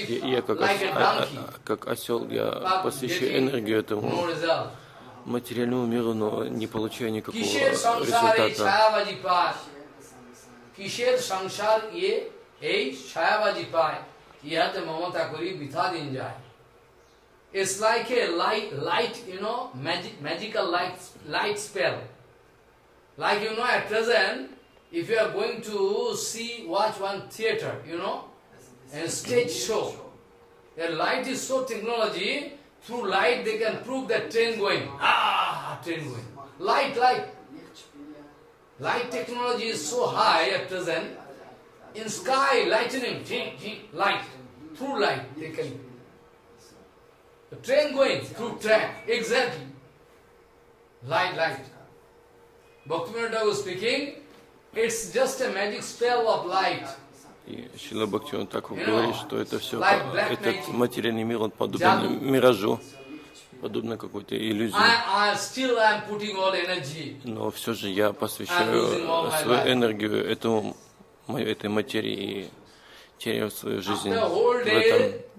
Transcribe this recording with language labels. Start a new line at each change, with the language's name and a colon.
Russian: Я как осел, я посвящаю энергию этому материальному миру, но не получаю никакого результата.
Bangla: Кишер-самсар-е-чая-вади-пай. Я-то мама-такури-битадин-джай.
English: It's like a light, you know, magical light spell. Like, you know, at present, if you are going to see, watch one theater, you know, and stage show, a light is so technology, through light they can prove that train going. Ah, train going. Light technology is so high at present. In sky, lightning, light, through light they can. A train going through track, exactly. Light. Bhaktivinoda Thakur speaking, it's just a magic spell of light.
Russian: Шрила Бхактивинода Тхакур говорит, что это все, like этот материальный мир, он подобен миражу, подобно какой-то иллюзии. Но все же я посвящаю свою энергию этой материи и теряю свою жизнь в этом.